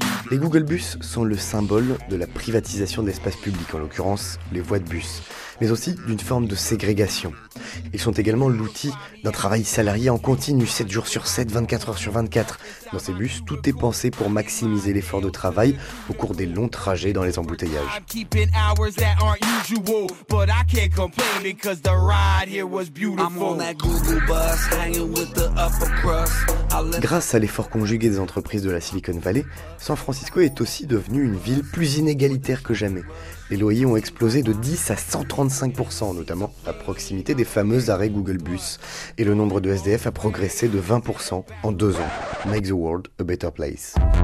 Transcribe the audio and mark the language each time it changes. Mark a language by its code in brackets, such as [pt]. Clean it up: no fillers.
[fr] Les Google Bus sont le symbole de la privatisation de l'espace public, en l'occurrence les voies de bus, mais aussi d'une forme de ségrégation. Ils sont également l'outil d'un travail salarié en continu, 7 jours sur 7, 24 heures sur 24. Dans ces bus, tout est pensé pour maximiser l'effort de travail au cours des longs trajets dans les embouteillages. [en] that aren't usual, but I can't complain because the ride here was beautiful. I'm on that Google bus, hanging with the upper crust. [fr] Grâce à l'effort conjugué des entreprises de la Silicon Valley, San Francisco est aussi devenue une ville plus inégalitaire que jamais. Les loyers ont explosé de 10 à 135%, notamment à proximité des fameux arrêts Google Bus. Et le nombre de SDF a progressé de 20% en 2 ans. [en] Make the world a better place.